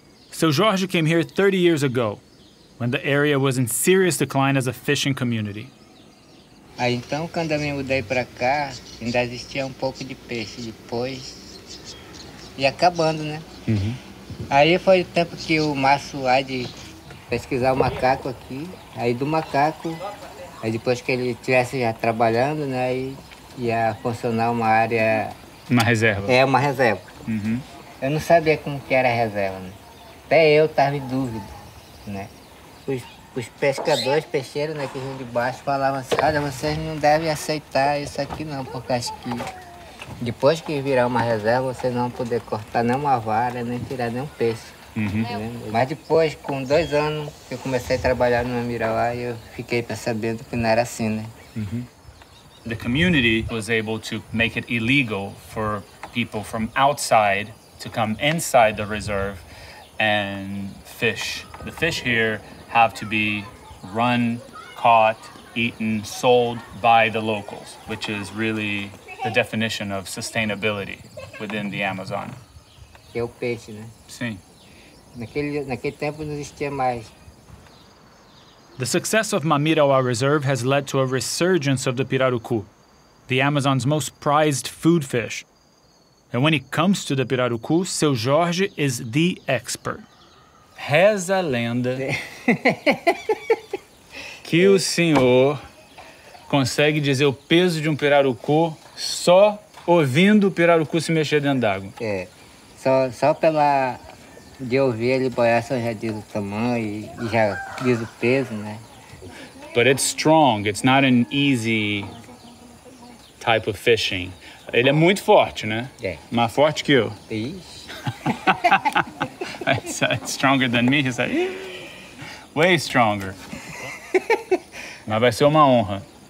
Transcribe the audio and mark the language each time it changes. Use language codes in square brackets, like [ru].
[en] So Jorge came here 30 years ago, when the area was in serious decline as a fishing community. [pt] Aí então, quando eu me mudei para cá, ainda existia um pouco de peixe. Depois, ia acabando, né? Uhum. Aí foi o tempo que o Márcio lá de pesquisar o macaco aqui. Aí do macaco, aí depois que ele estivesse já trabalhando, né? Aí ia funcionar uma área... Uma reserva. É, uma reserva. Uhum. Eu não sabia como que era a reserva, né? Até eu tava em dúvida, né? Os pescadores, peixeiros, né, que vinham de baixo, falavam assim, olha, vocês não devem aceitar isso aqui não, porque acho que depois que virar uma reserva, vocês não vão poder cortar nem uma vara, nem tirar nem um peixe. Uhum. Mas depois, com 2 anos, eu comecei a trabalhar numa mira lá e eu fiquei percebendo que não era assim, né? Uhum. [en] The community was able to make it illegal for people from outside to come inside the reserve and fish. The fish here have to be run, caught, eaten, sold by the locals, which is really the definition of sustainability within the Amazon. [pt] Que é o peixe, né? Sim. Naquele tempo não existia mais. [en] The success of Mamirauá Reserve has led to a resurgence of the pirarucu, the Amazon's most prized food fish. And when it comes to the pirarucu, seu Jorge is the expert. [pt] Reza a lenda que o senhor consegue dizer o peso de um pirarucu só ouvindo o pirarucu se mexer dentro d'água. É, só pela de ouvir ele boiar, só já diz o tamanho e já diz o peso, né? [en] But it's strong, it's not an easy type of fishing. [pt] Ele é muito forte, né? É. Mais forte que eu. Ixi. [en] It's stronger than me, he said. Way stronger. [pt] Mas vai ser uma honra.